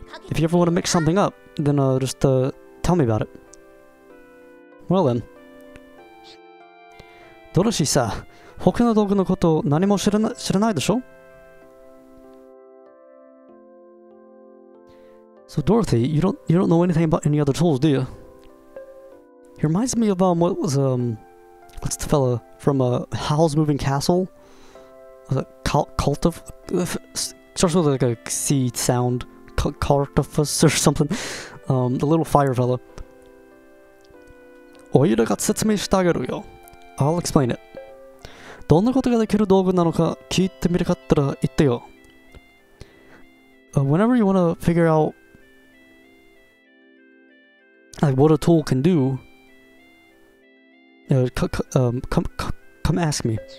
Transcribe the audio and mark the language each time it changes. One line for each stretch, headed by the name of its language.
English: If you ever want to mix something up, then, just tell me about it. Well then.
Japanese: ドルシーさ、他の道具のこと何も知らないでしょ?
English: So Dorothy, you don't know anything about any other tools, do you? He reminds me of, what's the fella from, Howl's Moving Castle? Was it cult of? Starts with like a C sound, cult of us or something. The little fire fella.
Japanese: おいらが説明してあげるよ。
English: I'll explain it.
Japanese: どんなことができる道具なのか聞いてみるかったら言ってよ。
English: Whenever you want to figure out like what a tool can do, come ask me.